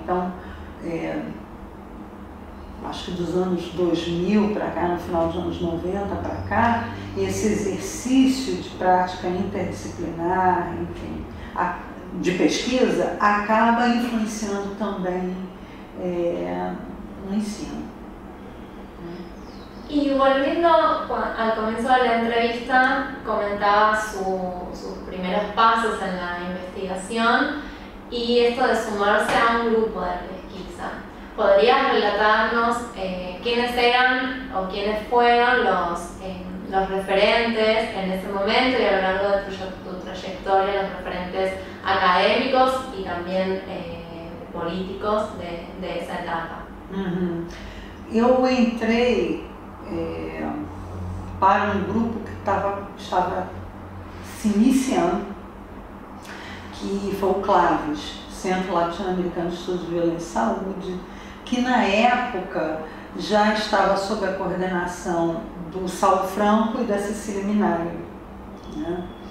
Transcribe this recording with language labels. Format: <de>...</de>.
<pt>Então, acho que dos anos 2000 para cá, no final dos anos 90 para cá, esse exercício de prática interdisciplinar, enfim, de pesquisa, acaba influenciando também no ensino.</pt> <es>E volviendo al comienzo de la entrevista, comentaba sus primeros pasos en la investigación y esto de sumarse a un grupo de pesquisa. ¿Podrías relatarnos quiénes eran o quiénes fueron los referentes en ese momento y a lo largo de tu trayectoria, los referentes académicos y también políticos de esa etapa? Uh-huh. Yo entré</es> <pt>para um grupo que estava se iniciando, que foi o CLAVES, Centro Latino-Americano de Estudos de Violência e Saúde, que na época já estava sob a coordenação do Saul Franco e da Cecília Minari. Né?</pt>